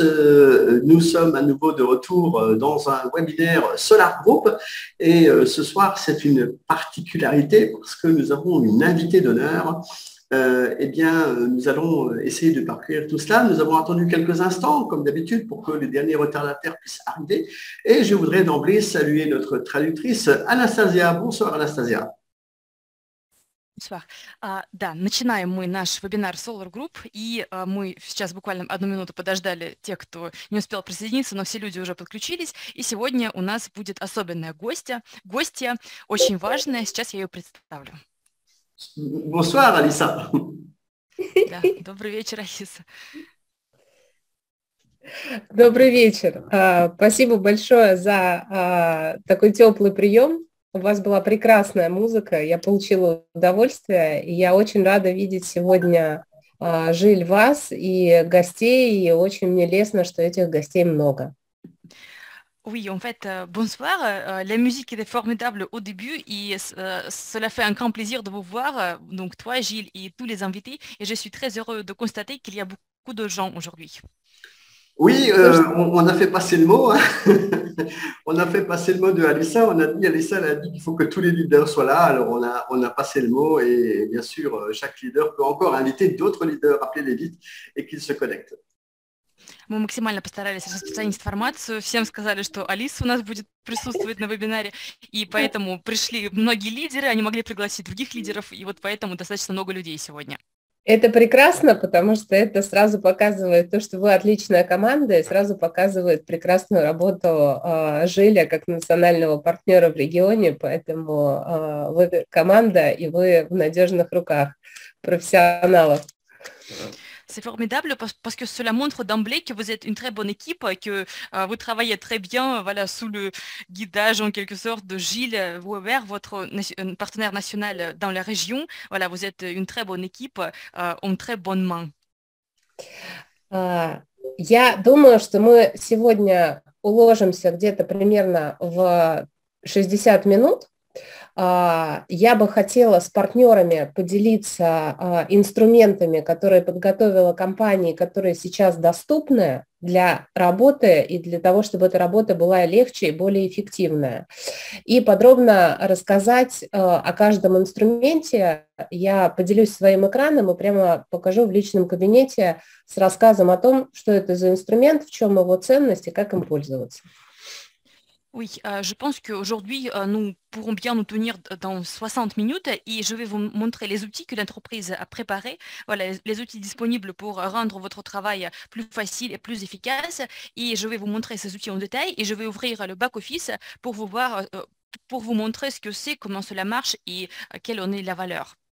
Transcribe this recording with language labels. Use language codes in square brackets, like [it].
[fr] Nous sommes à nouveau de retour dans un webinaire Solar Group et ce soir, c'est une particularité parce que nous avons une invitée d'honneur. Eh bien, nous allons essayer de parcourir tout cela. Nous avons attendu quelques instants, comme d'habitude, pour que les derniers retardataires puissent arriver. Et je voudrais d'emblée saluer notre traductrice Anastasia. Bonsoir, Anastasia. [ru] Да, начинаем мы наш вебинар Solar Group, и мы сейчас буквально одну минуту подождали тех, кто не успел присоединиться, но все люди уже подключились, и сегодня у нас будет особенная гостья, гостья очень важная, сейчас я ее представлю. [fr] Bonsoir, Alissa. [ru] Да, добрый вечер, Алиса. Добрый вечер. Спасибо большое за такой теплый прием. У вас была прекрасная музыка, я получила удовольствие, и я очень рада видеть сегодня жиль вас и гостей, и очень мне лестно, что этих гостей много. [fr] Oui, en fait, bonsoir. La musique était formidable au début et cela fait un grand plaisir de vous voir, donc toi, Gilles, et tous les invités. Et je suis très heureux de constater qu'il y a beaucoup de gens aujourd'hui. Oui, on a fait passer le mot. Hein. On a fait passer le mot de Alissa. On a dit, Alissa a dit qu'il faut que tous les leaders soient là. Alors, on a passé le mot. Et bien sûr, chaque leader peut encore inviter d'autres leaders, appeler les vite et qu'ils se connectent. [ru] Мы максимально постарались распространить информацию. Всем сказали, что Алиса у нас будет присутствовать на вебинаре. И поэтому пришли многие лидеры, они могли пригласить других лидеров. И вот поэтому достаточно много людей сегодня. Это прекрасно, потому что это сразу показывает то, что вы отличная команда, и сразу показывает прекрасную работу Жиля как национального партнера в регионе. Поэтому вы команда, и вы в надежных руках профессионалов. [fr] C'est formidable parce que cela montre d'emblée que vous êtes une très bonne équipe, que vous travaillez très bien, voilà, sous le guidage en quelque sorte de Gilles Weber, votre partenaire national dans la région. Voilà, vous êtes une très bonne équipe, en très bonne main. [ru] Я думаю, что мы сегодня уложимся где-то примерно в 60 минут. Я бы хотела с партнерами поделиться инструментами, которые подготовила компания, которые сейчас доступны для работы и для того, чтобы эта работа была легче и более эффективная. И подробно рассказать о каждом инструменте. Я поделюсь своим экраном и прямо покажу в личном кабинете с рассказом о том, что это за инструмент, в чем его ценность и как им пользоваться. [fr] Oui, je pense qu'aujourd'hui, nous pourrons bien nous tenir dans 60 minutes et je vais vous montrer les outils que l'entreprise a préparés, voilà, les outils disponibles pour rendre votre travail plus facile et plus efficace. Et je vais vous montrer ces outils en détail et je vais ouvrir le back-office pour vous voir, pour vous montrer ce que c'est, comment cela marche et quelle en est la valeur.